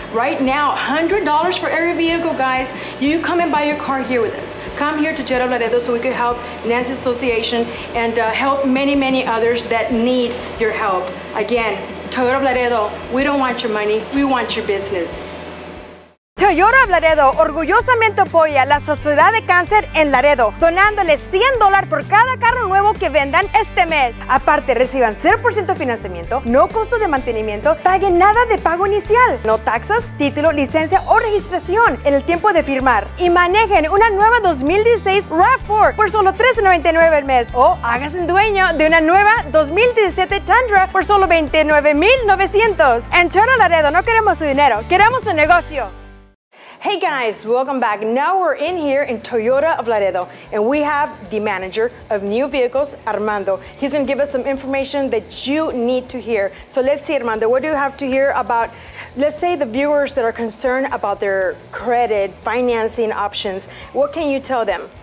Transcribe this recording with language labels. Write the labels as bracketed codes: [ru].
[en] Right now, $100 for every vehicle, guys. You come and buy your car here with us. Come here to Toyota of Laredo so we can help Nancy Association and help many, many others that need your help. Again, Toyota of Laredo, we don't want your money. We want your business. [es] Toyota of Laredo orgullosamente apoya la Sociedad de Cáncer en Laredo, donándoles $100 por cada carro nuevo que vendan este mes. Aparte, reciban 0% financiamiento, no costo de mantenimiento, paguen nada de pago inicial, no taxas, título, licencia o registración en el tiempo de firmar. Y manejen una nueva 2016 RAV4 por solo $13.99 el mes. O háganse dueño de una nueva 2017 Tundra por solo $29,900. En Toyota Laredo no queremos su dinero, queremos su negocio. [en] Hey guys, welcome back. Now we're in here in Toyota of Laredo, and we have the manager of new vehicles, Armando. He's gonna give us some information that you need to hear. So let's see, Armando, what do you have to hear about, let's say the viewers that are concerned about their credit financing options, what can you tell them?